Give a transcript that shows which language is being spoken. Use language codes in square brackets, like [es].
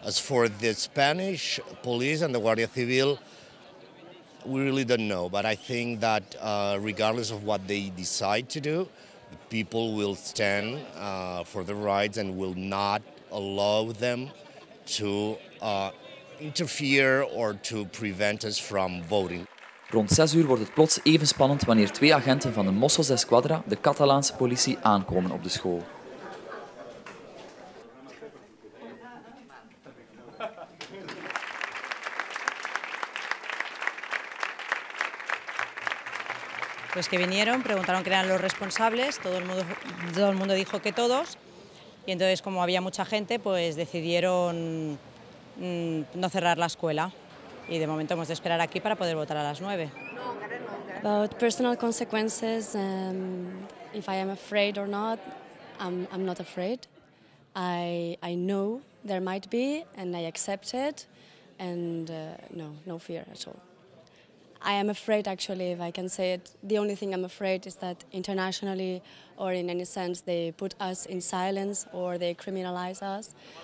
[en] As for the Spanish police and the Guardia Civil, we really don't know. But I think that regardless of what they decide to do, the people will stand for their rights and will not allow them to interfere or to prevent us from voting. [nl] Rond 6 uur wordt het plots even spannend wanneer 2 agenten van de Mossos Esquadra, de Catalaanse politie, aankomen op de school. [es] Pues que vinieron, preguntaron quién eran los responsables, todo el mundo dijo que todos, y entonces como había mucha gente, pues decidieron no cerrar la escuela. Y de momento hemos de esperar aquí para poder votar a las 9. [en] About personal consequences, if I am afraid or not, I'm not afraid. I know there might be and I accept it, and no fear at all. I am afraid, actually, if I can say it. The only thing I'm afraid is that internationally or in any sense they put us in silence or they criminalize us.